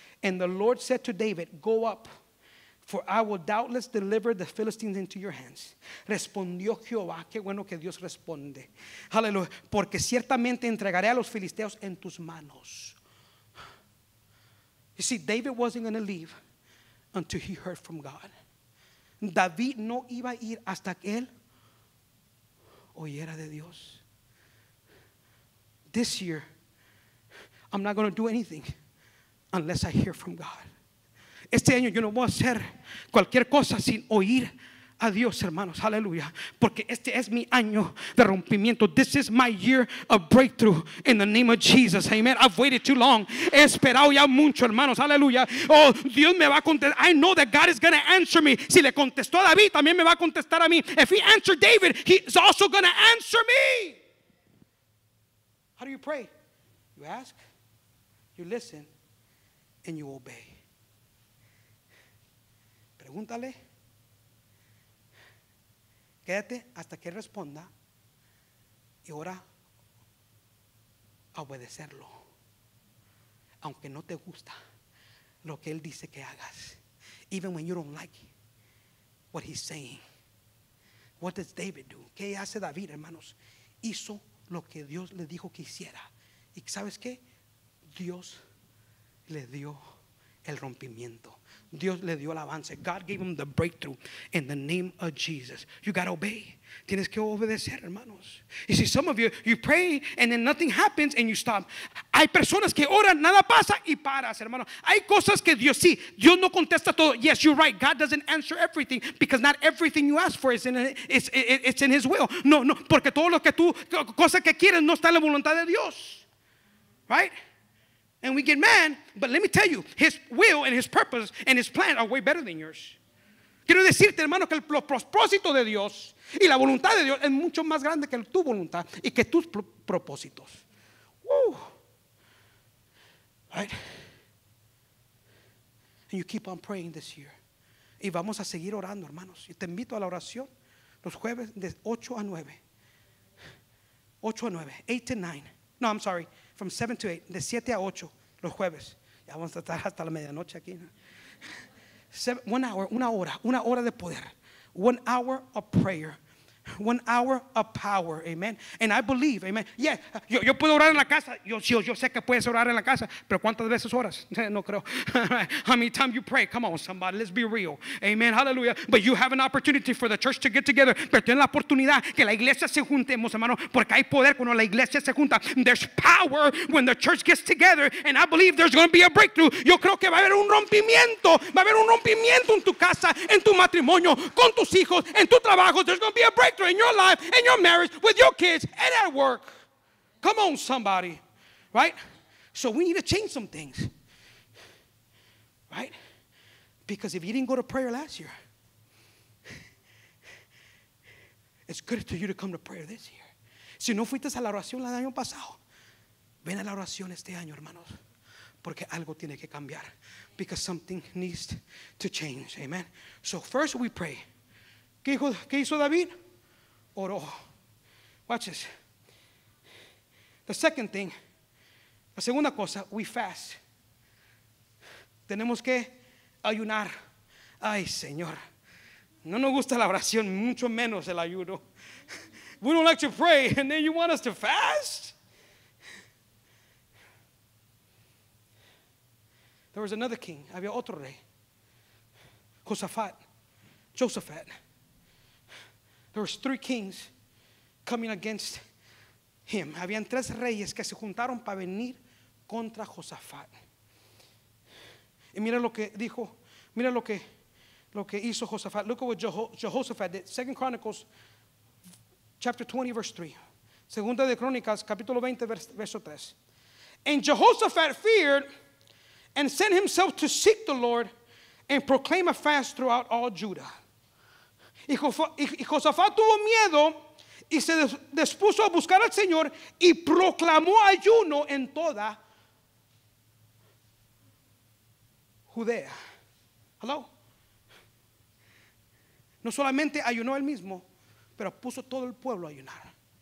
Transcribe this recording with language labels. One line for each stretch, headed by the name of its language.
English: And the Lord said to David, go up, for I will doubtless deliver the Philistines into your hands.
Spanish: Respondió Jehová, qué bueno que Dios responde. Hallelujah. Porque ciertamente entregaré a los filisteos en tus manos.
English: You see, David wasn't going to leave until he heard from God.
Spanish: David no iba a ir hasta que él oyera de Dios.
English: This year, I'm not going to do anything unless I hear from God.
Spanish: Este año yo no voy a hacer cualquier cosa sin oír a Dios, hermanos. Aleluya. Porque este es mi año de rompimiento.
English: This is my year of breakthrough in the name of Jesus.
Spanish: Amen.
English: I've waited too long.
Spanish: He esperado ya mucho, hermanos. Aleluya. Oh, Dios me va a contestar.
English: I know that God is going to answer me.
Spanish: Si le contestó a David, también me va a contestar a mí.
English: If he answered David, he's also going to answer me. How do you pray? You ask, you listen, and you obey.
Spanish: Pregúntale. Quédate hasta que responda. Y ora a obedecerlo. Aunque no te gusta lo que él dice que hagas. Even when you don't like what he's saying. What does David do? ¿Qué hace David, hermanos? Hizo lo que Dios le dijo que hiciera. ¿Y sabes qué? Dios le dio el rompimiento. Dios le dio el avance.
English: God gave him the breakthrough in the name of Jesus. You got to obey.
Spanish: Tienes que obedecer, hermanos.
English: You see, some of you pray and then nothing happens and you stop.
Spanish: Hay personas que oran, nada pasa y paras, hermano. Hay cosas que Dios, sí, Dios no contesta todo.
English: Yes, you're right. God doesn't answer everything because not everything you ask for is in his will.
Spanish: No, no, porque todo lo que tú, cosa que quieres no está en la voluntad de Dios.
English: Right? And we get mad, but let me tell you, his will and his purpose and his plan are way better than yours.
Spanish: Quiero decirte, hermano, que el propósito de Dios y la voluntad de Dios es mucho más grande que tu voluntad y que tus propósitos.
English: Woo. Right? And you keep on praying this year.
Spanish: Y vamos a seguir orando, hermanos. Y te invito a la oración los jueves de 8 a 9. 8 a 9.
English: 8 to 9. No, I'm sorry. From 7 to 8,
Spanish: de 7 a 8, los jueves. Ya vamos a estar hasta la medianoche aquí. una hora de poder.
English: 1 hour of prayer. 1 hour of power, amen. And I believe, amen. Yeah,
Spanish: yo puedo orar en la casa. Yo sé que puedes orar en la casa, pero ¿cuántas veces oras? No creo.
English: How many times you pray? Come on, somebody, let's be real. Amen, hallelujah. But you have an opportunity for the church to get together.
Spanish: Pero tienes la oportunidad que la iglesia se juntemos, hermano, porque hay poder cuando la iglesia se junta.
English: There's power when the church gets together, and I believe there's going to be a breakthrough.
Spanish: Yo creo que va a haber un rompimiento. Va a haber un rompimiento en tu casa, en tu matrimonio, con tus hijos, en tu trabajo.
English: There's going to be a breakthrough in your life, in your marriage, with your kids, and at work. Come on, somebody. Right? So we need to change some things. Right? Because if you didn't go to prayer last year, it's good for you to come to prayer this year.
Spanish: Si no fuiste a la oración el año pasado, ven a la oración este año, hermanos. Porque algo tiene que cambiar.
English: Because something needs to change. Amen? So first we pray.
Spanish: ¿Qué hizo David? Oro.
English: Watch this. The second thing,
Spanish: la segunda cosa,
English: we fast.
Spanish: Tenemos que ayunar. Ay, Señor. No nos gusta la oración, mucho menos el ayuno.
English: We don't like to pray, and then you want us to fast? There was another king.
Spanish: Había otro rey.
English: Josaphat. There were 3 kings coming against him.
Spanish: Habían 3 reyes que se juntaron para venir contra Josafat. Y mira lo que dijo, mira lo que hizo Josafat.
English: Look at what Jehoshaphat did. 2 Chronicles chapter 20 verse 3.
Spanish: Segunda de Crónicas capítulo 20 verso 3.
English: And Jehoshaphat feared and sent himself to seek the Lord and proclaim a fast throughout all Judah.
Spanish: Y Josafat tuvo miedo y se dispuso a buscar al Señor y proclamó ayuno en toda Judea. Hello. No solamente ayunó él mismo, pero puso todo el pueblo a ayunar.